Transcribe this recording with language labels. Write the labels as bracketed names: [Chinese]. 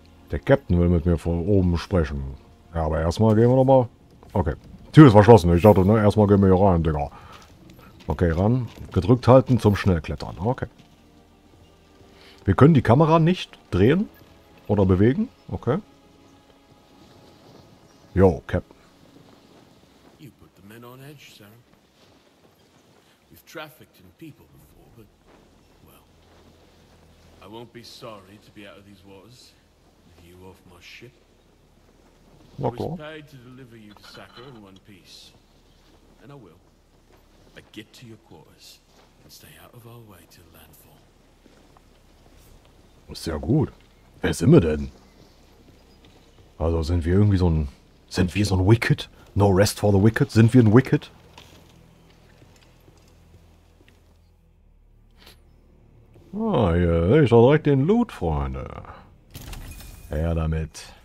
[German] Der Captain will mit mir von oben sprechen. Ja, aber erstmal gehen wir nochmal. Okay. Tür ist verschlossen. Ich dachte, ne, erstmal gehen wir hier rein, Digga. Okay, ran. Gedrückt halten zum Schnellklettern. Okay. Wir können die Kamera nicht drehen oder bewegen. Okay. [English] Yo, Captain. You put the men on edge, sir. We've trafficked in people. I won't be sorry to be out of these waters. With you off my ship. I was paid to deliver you to Sakura in one piece. And I will. But get to your quarters and stay out of our way till landfall. [German] Sehr gut. Wer sind wir denn? Also sind wir irgendwie so ein. Sind wir so ein Wicked? [English] No rest for the Wicked? [German] Sind wir ein Wicked? Ah, hier sehe ich doch direkt den Loot, Freunde. Her damit.